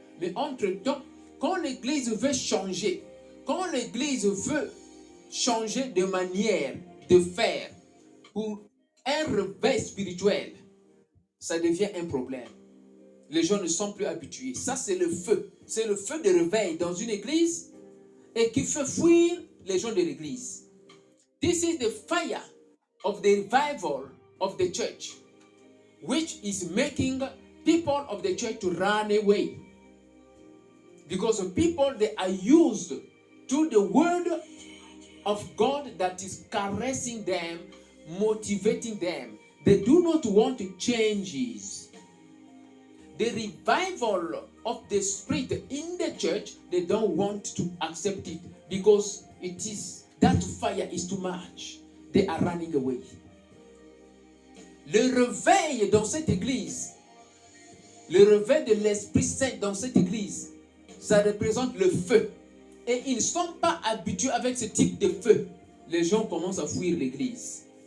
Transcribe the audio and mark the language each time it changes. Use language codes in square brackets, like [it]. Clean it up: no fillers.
[fr] Mais entre-temps, quand l'Église veut changer, quand l'Église veut changer de manière de faire pour un réveil spirituel, ça devient un problème. Les gens ne sont plus habitués. Ça, c'est le feu. C'est le feu de réveil dans une église et qui fait fuir les gens de l'église. [en] This is the fire of the revival of the church, which is making people of the church to run away. Because of people, they are used to the word of God that is caressing them, motivating them. They do not want changes. The revival of the spirit in the church, they don't want to accept it because it is that fire is too much. They are running away. [fr] Le réveil dans cette église, le réveil de l'Esprit Saint dans cette église, ça représente le feu. Et ils ne sont pas habitués avec ce type de feu. Les gens commencent à fuir l'église.